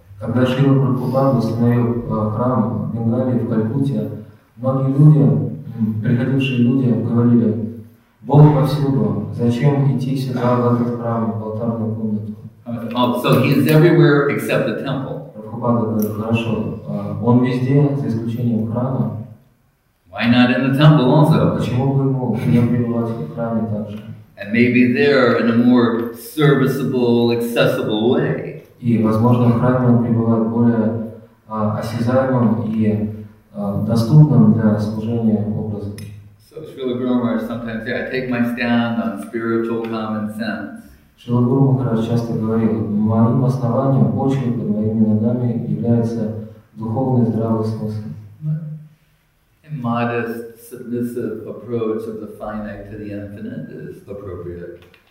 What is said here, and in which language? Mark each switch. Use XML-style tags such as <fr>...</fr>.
<ru>Когда Шрила Прабхупада установил храм в Бенгалии, в Калькутте, многие люди, приходившие люди, говорили, Бог повсюду, зачем идти сюда, в этот храм, в алтарную комнату?</ru> <en>Oh, so he is everywhere except the temple.</en> <ru>Прабхупада говорит, хорошо, он везде, за исключением храма.</ru> <en>Why not in the temple also?</en> <ru>Почему бы ему не пребывать в храме также?</ru> <en>And maybe there in a more serviceable, accessible way.</en> <ru>И, возможно, в храме он пребывает более осязаемым и доступным для служения образом.</ru> <en>So Srila Guru Maharaj sometimes say, I take my stand on spiritual common sense.</en> <ru>Srila Guru Maharaj часто говорил, моим основанием, почвой под моими ногами является духовный здравый смысл.</ru> <en>Modest, submissive approach of the finite to the infinite is appropriate.</en>